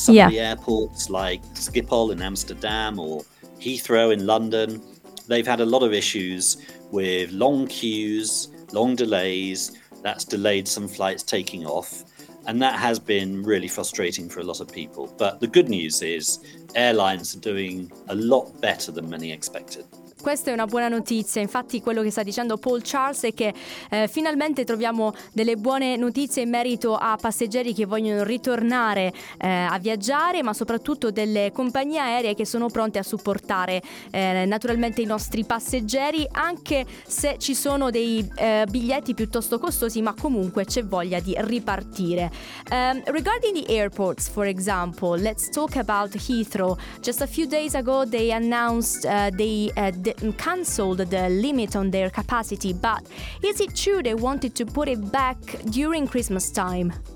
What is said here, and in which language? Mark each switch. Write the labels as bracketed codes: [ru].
[en] Some of the airports like Schiphol in Amsterdam or Heathrow in London, they've had a lot of issues with long queues, long delays. That's delayed some flights taking off. And that has been really frustrating for a lot of people. But the good news is airlines are doing a lot better than many expected. [it] Questa è una buona notizia. Infatti quello che sta dicendo Paul Charles è che finalmente troviamo delle buone notizie in merito a passeggeri che vogliono ritornare a viaggiare, ma soprattutto delle compagnie aeree che sono pronte a supportare naturalmente i nostri passeggeri, anche se ci sono dei biglietti piuttosto costosi, ma comunque c'è voglia di ripartire. [en] Regarding the airports, for example, let's talk about Heathrow. Just a few days ago they announced cancelled the limit on their capacity, but is it true they wanted to put it back during Christmas time?